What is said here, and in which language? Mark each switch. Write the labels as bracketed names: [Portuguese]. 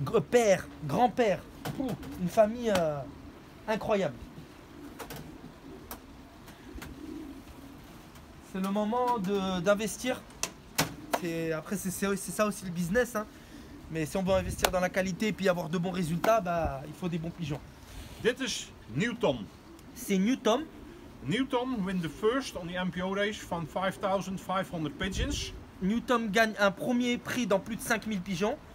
[French] Père, grand-père. Une famille incroyable. C'est le moment d'investir. Après, c'est ça aussi le business. Hein. Mais si on veut investir dans la qualité et puis avoir de bons résultats, bah, il faut des bons pigeons. [Dutch] Dit is Newton. [French] C'est Newton. [English] Newton win the first on the MPO race from 5,500 pigeons. [French] Newton gagne un premier prix dans plus de 5000 pigeons.